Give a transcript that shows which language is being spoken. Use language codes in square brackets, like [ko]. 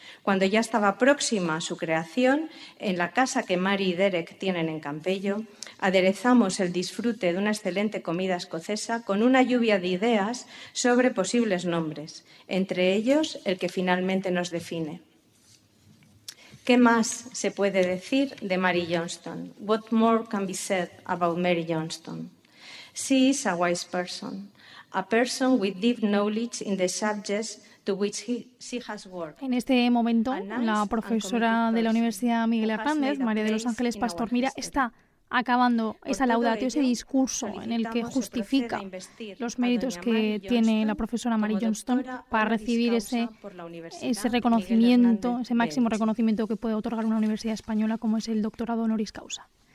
[es] Cuando ya estaba próxima a su creación, en la casa que Mary y Derek tienen en Campello, aderezamos el disfrute de una excelente comida escocesa con una lluvia de ideas sobre posibles nombres, entre ellos el que finalmente nos define. ¿Qué más se puede decir de Mary Johnston? [en] What more can be said about Mary Johnston? She is a wise person, a person with deep knowledge in the subjects to which she has worked. [es] En este momento, la profesora de la Universidad Miguel Hernández, María de los Ángeles Pastor Mira, está acabando esa laudatio, ese discurso en el que justifica los méritos que tiene la profesora Mary Johnston para recibir ese reconocimiento, ese máximo reconocimiento que puede otorgar una universidad española como es el doctorado honoris causa.